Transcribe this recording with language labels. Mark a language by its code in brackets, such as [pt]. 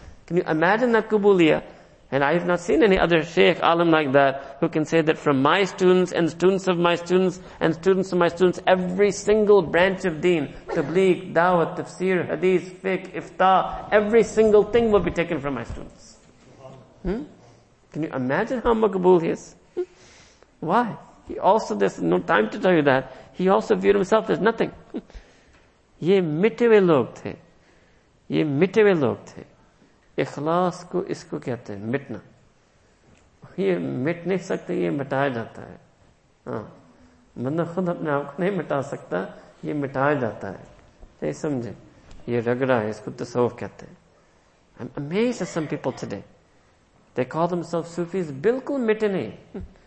[en] Can you imagine that kubuliya? And I have not seen any other sheikh, alim like that, who can say that from my students and students of my students and students of my students, every single branch of deen, tabligh, dawah, tafsir, hadith, fiqh, iftah, every single thing will be taken from my students. Can you imagine how makbul he is? Why? He also, there's no time to tell you that. He also viewed himself as nothing. [ur] یہ مٹے وے لوگ تھے۔ یہ مٹے وے لوگ تھے۔ اخلاص کو اسکو کہتے ہے، مٹنا۔ یہ مٹ نہیں سکتے، یہ مٹایا جاتا ہے۔ مندہ خود اپنے آپ کو نہیں مٹا سکتا، یہ مٹایا جاتا ہے۔ نہیں سمجھے۔ یہ رگڑا ہے، اسکو تصوف کہتے ہے۔ [en] I'm amazed at some people today. They call themselves Sufis, [ur] بالکل مٹے نہیں۔